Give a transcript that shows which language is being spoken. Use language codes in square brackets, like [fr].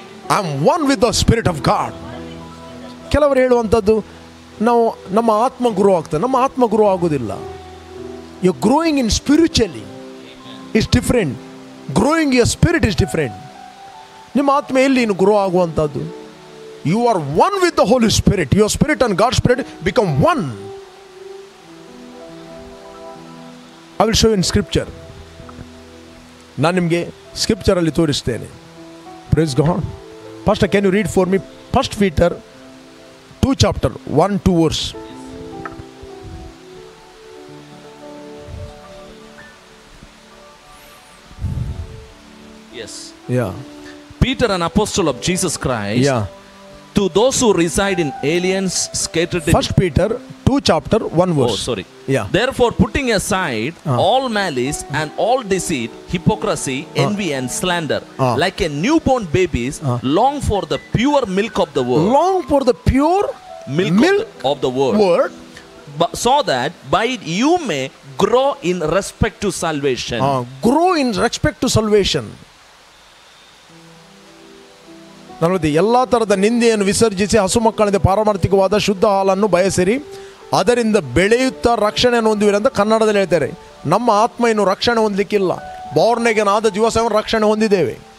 [en] I am one with the spirit of God. [kn] ಕೆಲವರು ಹೇಳುವಂಥದ್ದು, ನಾವು ನಮ್ಮ ಆತ್ಮ ಗುರು ಆಗ್ತದೆ. ನಮ್ಮ ಆತ್ಮ ಗುರು ಆಗುವುದಿಲ್ಲ. [en] You growing in spiritually is different. Growing your spirit is different. [kn] ನಿಮ್ಮ ಆತ್ಮ ಎಲ್ಲಿ ಇನ್ನು ಗುರು ಆಗುವಂಥದ್ದು? [en] You are one with the Holy Spirit. Your spirit and God's spirit become one. I will show you in scripture. [kn] Na nimge scripture alli toristene. [en] Praise God. Pastor, can you read for me? First Peter 2 chapter 1 2 verse. Yes. Yeah. Peter, an apostle of Jesus Christ. Yeah. To those who reside in aliens scattered in... First Peter 2 chapter 1 verse. Oh, sorry. Yeah. Therefore, putting aside all malice and all deceit, hypocrisy, envy and slander, like a newborn babies, long for the pure milk of the word. Long for the pure milk of the word. Word. So that by it you may grow in respect to salvation. Grow in respect to salvation. [kn] ನನ್ನದು ಎಲ್ಲ ಥರದ ನಿಂದೆಯನ್ನು ವಿಸರ್ಜಿಸಿ ಹಸು ಮಕ್ಕಳಿಂದ ಪಾರಮಾರ್ಥಿಕವಾದ ಶುದ್ಧ ಹಾಲನ್ನು ಬಯಸಿರಿ, ಅದರಿಂದ ಬೆಳೆಯುತ್ತಾ ರಕ್ಷಣೆಯನ್ನು ಹೊಂದುವಿರಿ ಅಂತ ಕನ್ನಡದಲ್ಲಿ ಹೇಳ್ತಾರೆ. ನಮ್ಮ ಆತ್ಮ ಇನ್ನು ರಕ್ಷಣೆ ಹೊಂದಲಿಕ್ಕಿಲ್ಲ. ಬೋರ್ನೆಗೆನ್ ಆದ ದಿವಸ ರಕ್ಷಣೆ ಹೊಂದಿದ್ದೇವೆ.